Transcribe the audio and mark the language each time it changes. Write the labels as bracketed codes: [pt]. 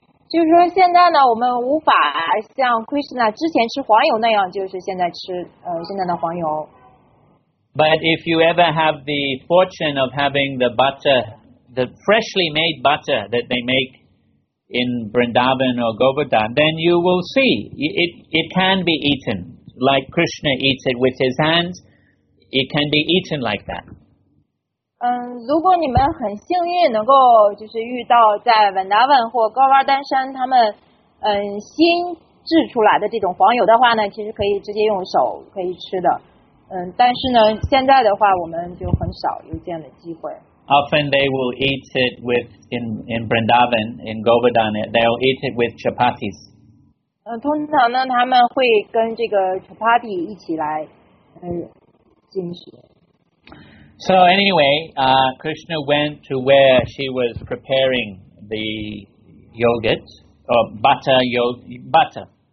[zh] 就是说现在呢我们无法像 Krishna 之前吃黄油那样就是现在吃现在的黄油。 [en] But if you ever have the fortune of having the butter, the freshly made butter that they make in Vrindavan or Govardhan, then you will see it can be eaten like Krishna eats it with his hands. It can be eaten like that. [zh] 如果你们很幸运能够就是遇到在文达文或高瓦丹山他们新制出来的这种黄油的话呢其实可以直接用手可以吃的但是呢现在的话我们就很少有这样的机会 [en] Often they will eat it with in Vrindavan in Govardhan they'll eat it with chapatis [zh] 通常呢他们会跟这个 chapati 一起来进行 [en] So anyway, Krishna went to where she was preparing the yogurt, or butter.